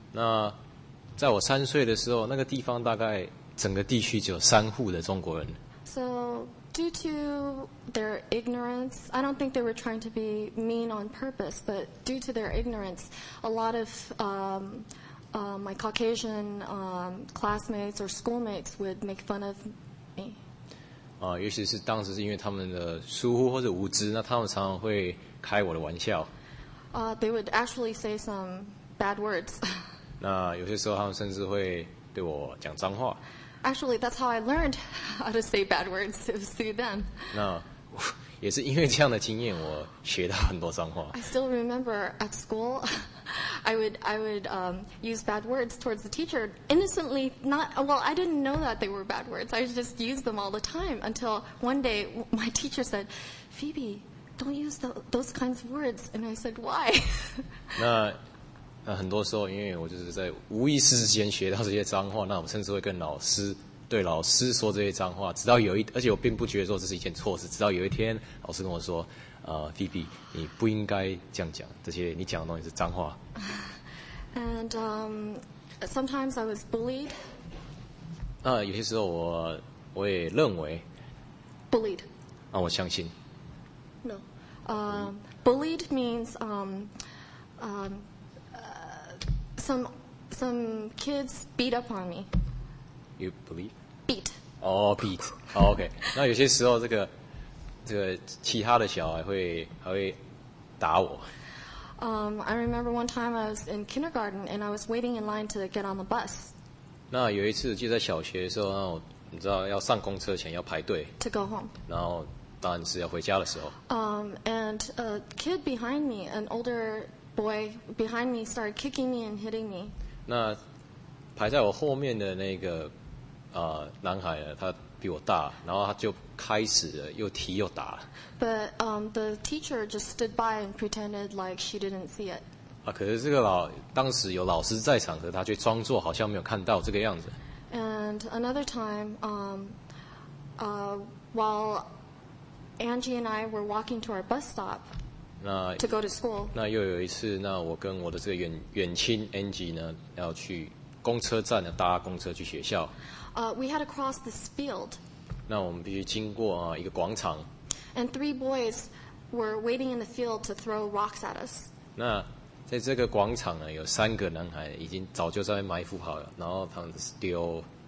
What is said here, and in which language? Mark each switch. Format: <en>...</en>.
<zh>那在我三岁的时候，那个地方大概整个地区只有3户的中国人。</zh> <en>So due to their ignorance, I don't think they were trying to be mean on purpose, but due to their ignorance, a lot of my Caucasian classmates or schoolmates would make fun of me.</en> <zh>尤其是当时是因为他们的疏忽或者无知，那他们常常会开我的玩笑。</zh> <en>They would actually say some bad words.</en> <zh>那有些时候他们甚至会对我讲脏话。</zh> <en>Actually, that's how I learned how to say bad words. It was through them.</en> <zh>那也是因为这样的经验，我学到很多脏话。</zh> <en>I still remember at school, I would use bad words towards the teacher innocently. I didn't know that they were bad words. I just used them all the time until one day my teacher said, "Phoebe, don't use those kinds of words." And I said, "Why?"</en> <zh>那很多时候，因为我就是在无意识之间学到这些脏话，那我甚至会跟老师对老师说这些脏话，直到有一，而且我并不觉得说这是一件错事，直到有一天老师跟我说，Phoebe, 你不应该这样讲，这些你讲的东西是脏话。</zh> <en>And sometimes I was bullied.</en> <zh>有些时候我也认为</zh> <en>bullied.</en> <zh>我相信。</zh> <en>No, bullied means some kids beat up on me. You bullied? Beat. Beat. Oh, okay.</en> <zh>那有些时候这个。这个其他的小孩还会打我。</zh> <en>I remember one time I was in kindergarten and I was waiting in line to get on the bus.</en> <zh>那有一次就在小学的时候，然后你知道要上公车前要排队。</zh> <en>To go home.</en> <zh>然后当然是要回家的时候。</zh> <en>And a kid behind me, an older boy behind me, started kicking me and hitting me.</en> <zh>那排在我后面的那个男孩呢，他比我大，然后他就开始了又踢又打。</zh> <en>But the teacher just stood by and pretended like she didn't see it.</en> <zh>啊，可是这个当时有老师在场，可是他却装作好像没有看到这个样子。</zh> <en>And another time, while Angie and I were walking to our bus stop to go to school.</en> <zh>那又有一次，那我跟我的这个远亲 Angie 呢，要去公车站呢，搭公车去学校。</zh> <en>We had to cross this field.</en> <zh>那我们必须经过一个广场。</zh> <en>And three boys were waiting in the field to throw rocks at us.</en> <zh>那在这个广场呢，有三个男孩已经早就在那边埋伏好了，然后他们丢</zh>